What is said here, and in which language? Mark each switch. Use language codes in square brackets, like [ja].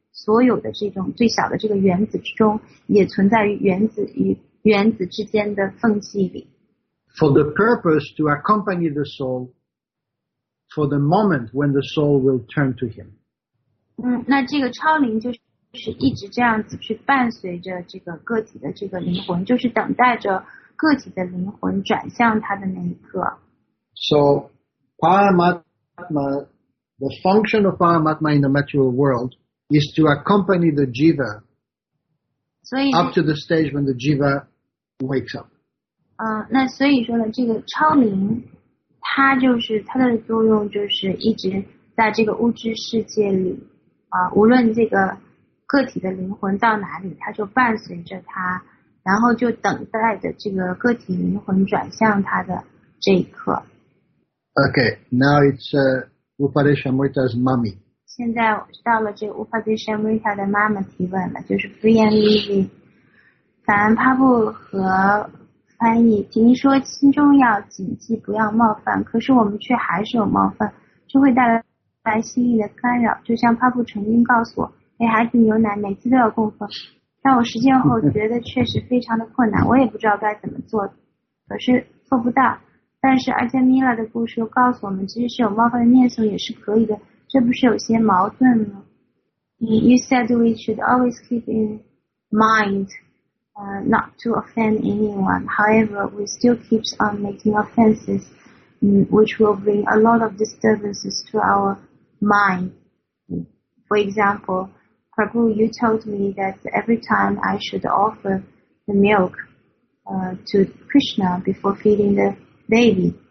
[zh] 所有的这种最小的这个原子之中，也存在于原子与原子之间的缝隙里。 [en] For the purpose to accompany the soul for the moment when the soul will turn to him. [zh] 那这个超灵就是一直这样子去伴随着这个个体的这个灵魂，就是等待着个体的灵魂转向他的那一刻。 [en] So, Paramatma, the function of Paramatma in the material world is to accompany the jiva up to the stage when the jiva wakes up. [zh] 那所以说呢，这个超灵，它就是它的作用就是一直在这个物质世界里，无论这个个体的灵魂到哪里，它就伴随着它，然后就等待着这个个体灵魂转向它的这一刻。 [en] Okay, now it's Upadeshamrita's mommy. [zh] 现在到了这个 Upadeshamrita 的妈妈提问了，就是 Free and Living， 法兰帕布和。翻译，您说心中要谨记不要冒犯，可是我们却还是有冒犯，就会带来心意的干扰。就像帕布曾经告诉我，给孩子牛奶每次都要供奉，但我实践后觉得确实非常的困难，我也不知道该怎么做，可是做不到。但是阿加米拉的故事又告诉我们，即使是有冒犯的念头也是可以的，这不是有些矛盾吗？ [en] You said we should always keep in mind. Not to offend anyone. However, we still keep on making offenses, which will bring a lot of disturbances to our mind. For example, Prabhu, you told me that every time I should offer the milk, to Krishna before feeding the baby.